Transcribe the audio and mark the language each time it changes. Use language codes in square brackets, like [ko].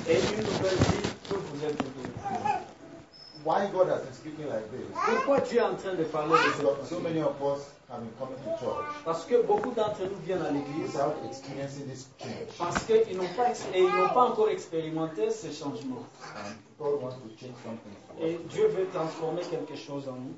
[fr] Et une nouvelle vie peut vous être donnée. [en] Why God has been speaking like this? [fr] Pourquoi Dieu est en train de parler de cela? [en] So many of us have been coming to church. [fr] Parce que beaucoup d'entre nous viennent à l'église. [en] Without experiencing this change. [fr] Parce qu'ils n'ont pas et ils n'ont pas encore expérimenté ce changement. [en] And God wants to change something. [fr] Et Dieu veut transformer quelque chose en nous.